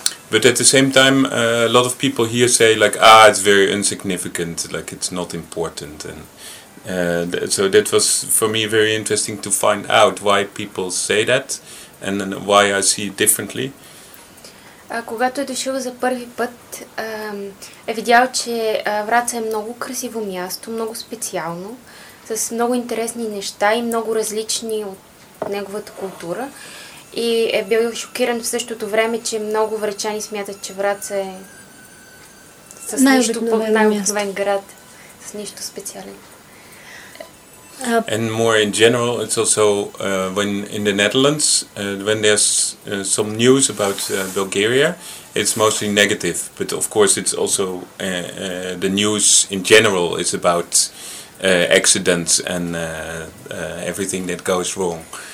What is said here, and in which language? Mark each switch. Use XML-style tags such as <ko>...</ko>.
<en>But at the same time, a lot of people here say like, it's very insignificant, like it's not important. And so that was for me very interesting to find out why people say that and then why I see it differently.</en> <bg>Когато е дошъл за първи път, е видял, че Враца е много красиво място, много специално, с много интересни неща и много различни от неговата култура. И е бил шокиран в същото време, че много врачани смятат, че Враца е с нищо по-най-обикновен град, с нищо специален.</bg> <en>And more in general, it's also when in the Netherlands, when there's some news about Bulgaria, it's mostly negative. But of course, it's also the news in general is about accidents and everything that goes wrong.</en>